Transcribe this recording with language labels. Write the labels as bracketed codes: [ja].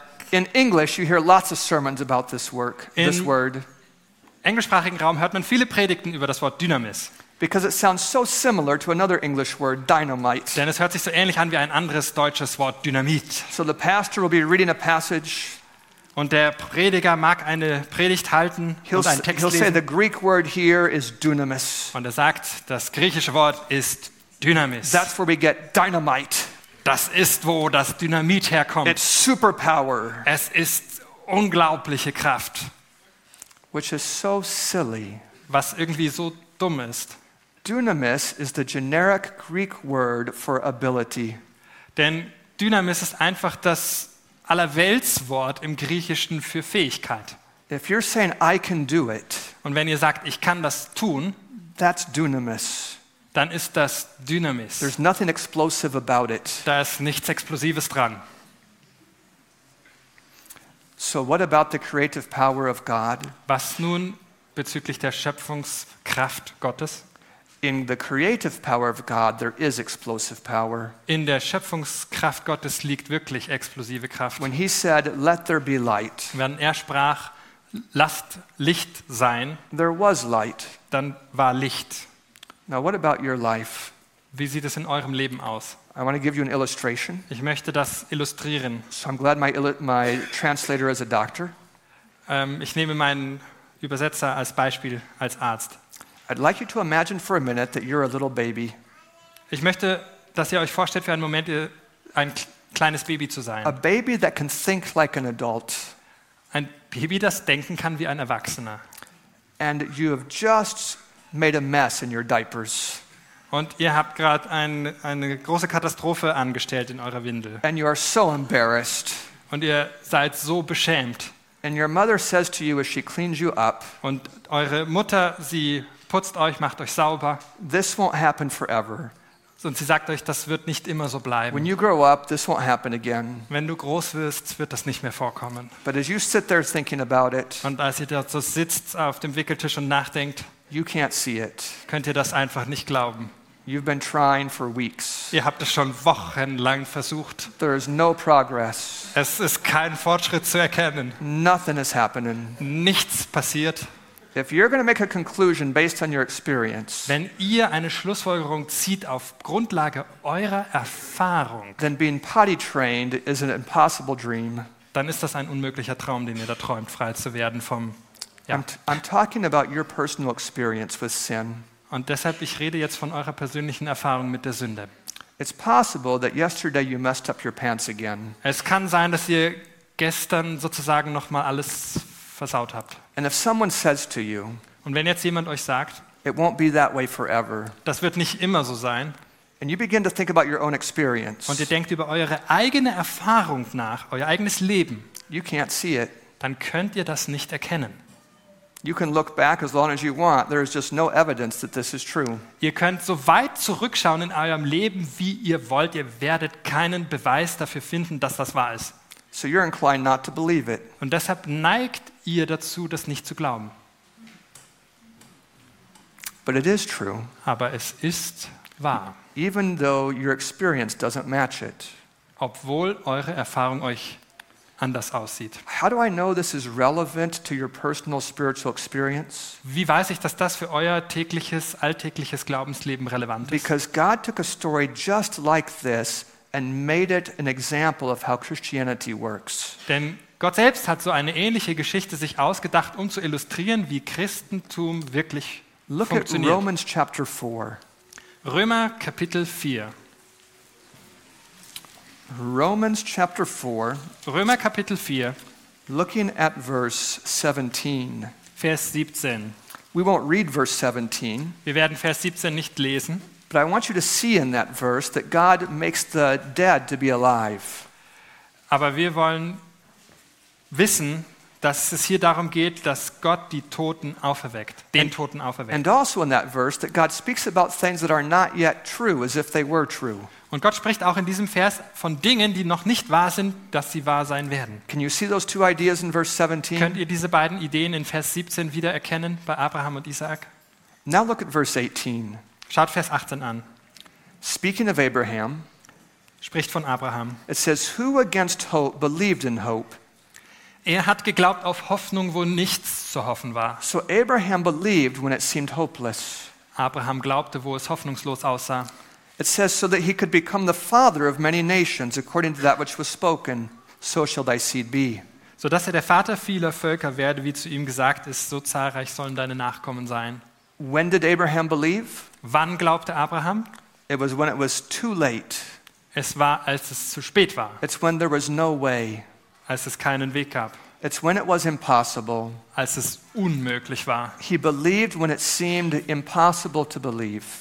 [en] In English you hear lots of sermons about this work, in this word. [de] Im englischsprachigen Raum hört man viele Predigten über das Wort Dynamis. [en] Because it sounds so similar to another English word, dynamite. [de] Denn es hört sich so ähnlich an wie ein anderes deutsches Wort, Dynamit. [en] So the pastor will be reading a passage. [de] Und der Prediger mag eine Predigt halten und einen Text lesen. [en] He'll say the Greek word here is dynamis. [de] Und er sagt, das griechische Wort ist Dynamis. [en] That's where we get dynamite. [de] Das ist, wo das Dynamit herkommt. [en] It's superpower. [de] Es ist unglaubliche Kraft. [en] Which is so silly. [de] Was irgendwie so dumm ist. [en] Dynamis is the generic Greek word for ability. [de] Denn Dynamis ist einfach das Allerweltswort im Griechischen für Fähigkeit. [en] If you're saying I can do it, [de] und wenn ihr sagt, ich kann das tun, [en] that's dynamis. [de] Dann ist das Dynamis. [en] There's nothing explosive about it. [de] Da ist nichts Explosives dran. [en] So what about the creative power of God? [de] Was nun bezüglich der Schöpfungskraft Gottes? [en] In the creative power of God, there is explosive power. [de] In der Schöpfungskraft Gottes liegt wirklich explosive Kraft. [en] When he said, "Let there be light," [de] wenn er sprach, lasst Licht sein, [en] there was light. [de] Dann war Licht. [en] Now, what about your life? [de] Wie sieht es in eurem Leben aus? [en] I want to give you an illustration. [de] Ich möchte das illustrieren. [en] So I'm glad my translator is a doctor. [de] Ich nehme meinen Übersetzer als Beispiel als Arzt. [en] I'd like you to imagine for a minute that you're a little baby. [de] Ich möchte, dass ihr euch vorstellt für einen Moment, ein kleines Baby zu sein. [en] A baby that can think like an adult. [de] Ein Baby, das denken kann wie ein Erwachsener. [en] And you have just made a mess in your diapers. [de] Und ihr habt gerade eine große Katastrophe angestellt in eurer Windel. [en] And you are so embarrassed. [de] Und ihr seid so beschämt. [en] And your mother says to you as she cleans you up. [de] Und eure Mutter, sie putzt euch, macht euch sauber. [en] This won't happen forever. [de] Und sie sagt euch, das wird nicht immer so bleiben. [en] When you grow up, this won't happen again. [de] Wenn du groß wirst, wird das nicht mehr vorkommen. [en] But as you sit there thinking about it, [de] und als ihr dort so sitzt auf dem Wickeltisch und nachdenkt, [en] you can't see it. [de] Könnt ihr das einfach nicht glauben. [en] You've been trying for weeks. [de] Ihr habt es schon wochenlang versucht. [en] There is no progress. [de] Es ist kein Fortschritt zu erkennen. [en] Nothing is happening. [de] Nichts passiert. [en] If you're going to make a conclusion based on your experience, [de] wenn ihr eine Schlussfolgerung zieht auf Grundlage eurer Erfahrung, [en] then being potty trained is an impossible dream. [de] Dann ist das ein unmöglicher Traum, den ihr da träumt, frei zu werden vom Ja. [en] I'm talking about your personal experience with sin. [de] Und deshalb, ich rede jetzt von eurer persönlichen Erfahrung mit der Sünde. [en] It's possible that yesterday you messed up your pants again. [de] Es kann sein, dass ihr gestern sozusagen noch mal alles versaut habt. [en] And if someone says to you, [de] und wenn jetzt jemand euch sagt, [en] it won't be that way forever. [de] Das wird nicht immer so sein. [en] And you begin to think about your own experience. [de] Und ihr denkt über eure eigene Erfahrung nach, euer eigenes Leben. [en] You can't see it. [de] Dann könnt ihr das nicht erkennen. [en] You can look back as long as you want. There is just no evidence that this is true. [de] Ihr könnt so weit zurückschauen in eurem Leben, wie ihr wollt. Ihr werdet keinen Beweis dafür finden, dass das wahr ist. [en] So you're inclined not to believe it. [de] Und deshalb neigt ihr dazu, das nicht zu glauben. [en] But it is true. [de] Aber es ist wahr. [en] Even though your experience doesn't match it. [de] Obwohl eure Erfahrung euch anders aussieht. [en] How do I know this is relevant to your personal spiritual experience? [de] Wie weiß ich, dass das für euer tägliches, alltägliches Glaubensleben relevant ist? [en] Because God took a story just like this and made it an example of how Christianity works. [de] Denn Gott selbst hat so eine ähnliche Geschichte sich ausgedacht, um zu illustrieren, wie Christentum wirklich funktioniert. [en] Look at Romans chapter 4. [de] Römer Kapitel 4. [en] Romans chapter 4. [de] Römer Kapitel 4. [en] Looking at verse 17. [de] Vers 17. [en] We won't read verse 17. [de] Wir werden Vers 17 nicht lesen. [en] But I want you to see in that verse that God makes the dead to be alive. [de] Aber wir wollen wissen, dass es hier darum geht, dass Gott die Toten auferweckt, den Toten auferweckt. [en] And also in that verse that God speaks about things that are not yet true as if they were true. [de] Und Gott spricht auch in diesem Vers von Dingen, die noch nicht wahr sind, dass sie wahr sein werden. [en] Can you see those two ideas in verse 17? [de] Könnt ihr diese beiden Ideen in Vers 17 wiedererkennen bei Abraham und Isaak? [en] Now look at verse 18. [de] Schaut Vers 18 an. [en] Speaking of Abraham, [de] spricht von Abraham. [en] It says, who against hope believed in hope? [de] Er hat geglaubt auf Hoffnung, wo nichts zu hoffen war. [en] So Abraham believed when it seemed hopeless. [de] Abraham glaubte, wo es hoffnungslos aussah. [en] It says so that he could become the father of many nations according to that which was spoken, so shall thy seed be. [de] So dass er der Vater vieler Völker werde, wie zu ihm gesagt ist, so zahlreich sollen deine Nachkommen sein. [en] When did Abraham believe? [de] Wann glaubte Abraham? [en] It was when it was too late. [de] Es war, als es zu spät war. [en] It's when there was no way. [de] Als es keinen Weg gab. [en] It's when it was impossible. [de] Als es unmöglich war. [en] He believed when it seemed impossible to believe.